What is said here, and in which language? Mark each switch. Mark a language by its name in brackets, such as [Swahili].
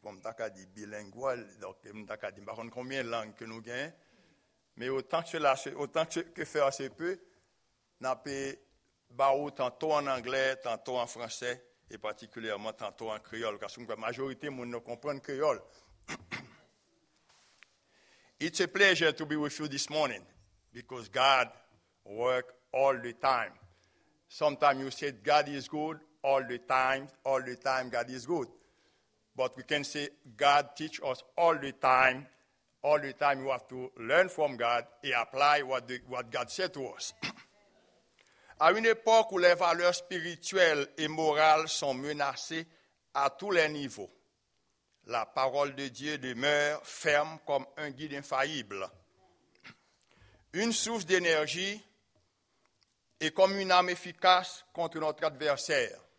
[French] Bon, je dis bilingue, donc je ne sais pas combien de langues que nous gagnons. Mais autant que cela, autant que faire se peut, nous parlons tantôt en anglais, tantôt en français, et particulièrement tantôt en créole, parce que la majorité de nous comprend créole. [English] It's a pleasure to be with you this morning, because God works all the time. Sometimes you say God is good, all the time God is good. But we can say God teach us all the time you have to learn from God et apply what God said to us. [French] À une époque où les valeurs spirituelles et morales sont menacées à tous les niveaux, la parole de Dieu demeure ferme comme un guide infaillible, une source d'énergie et comme une arme efficace contre notre adversaire.